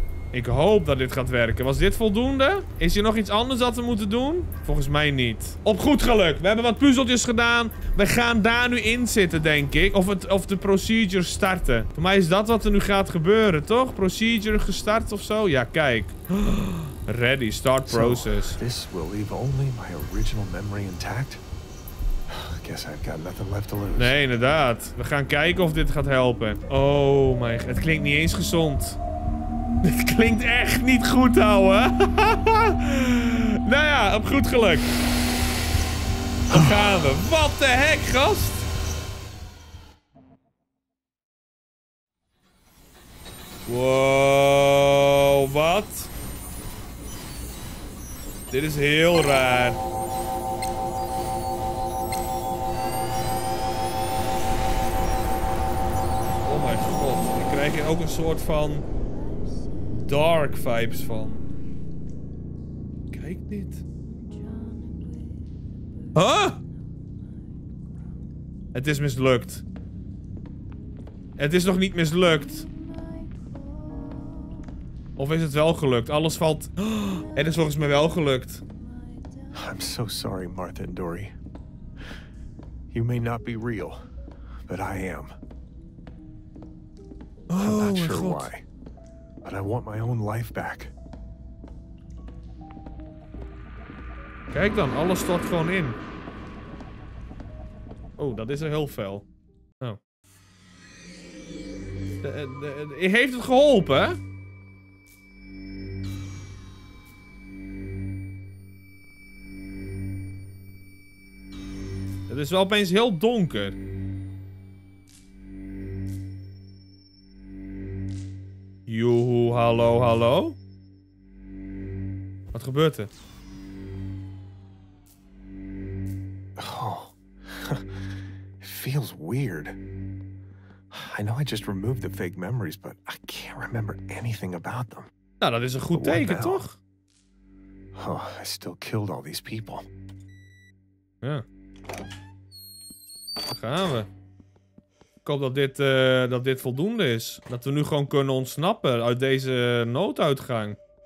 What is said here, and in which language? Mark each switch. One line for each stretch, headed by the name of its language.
Dutch: Ik hoop dat dit gaat werken. Was dit voldoende? Is er nog iets anders dat we moeten doen? Volgens mij niet. Op goed geluk. We hebben wat puzzeltjes gedaan. We gaan daar nu in zitten, denk ik. Of de procedure starten. Voor mij is dat wat er nu gaat gebeuren, toch? Procedure gestart of zo? Ja, kijk.
English: Ready. Start process. So, this will leave only my original memory intact. I guess I've got nothing left to lose.
Dutch: Nee, inderdaad. We gaan kijken of dit gaat helpen.
English: Oh my god.
Dutch: Het klinkt niet eens gezond. Dit klinkt echt niet goed, ouwe. Nou ja, op goed geluk. Daar gaan we. Wat de heck, gast? Wow, wat? Dit is heel raar. Oh mijn god. Ik krijg hier ook een soort van...
English: dark vibes
Dutch: van. Kijk dit. Huh? Het is mislukt. Het is nog niet mislukt. Of is het wel gelukt? Alles valt... Het is volgens mij wel gelukt.
English: I'm so sorry, Martha and Dory. You may not be real, but I am. Oh, I'm not sure why. But I want my own life back.
Dutch: Kijk dan, alles stort gewoon in. Oh, dat is heel fel. Oh. Heeft het geholpen? Het is wel opeens heel donker. Joehoe, hallo, hallo. Wat gebeurt er?
English: Oh, it feels weird. I know I just removed the fake memories, but I can't remember anything about them.
Dutch: Nou, dat is een goed teken, toch?
English: Oh, I still killed all these people.
Dutch: Ja. Daar gaan we. Ik hoop dat dit voldoende is. Dat we nu gewoon kunnen ontsnappen uit deze nooduitgang.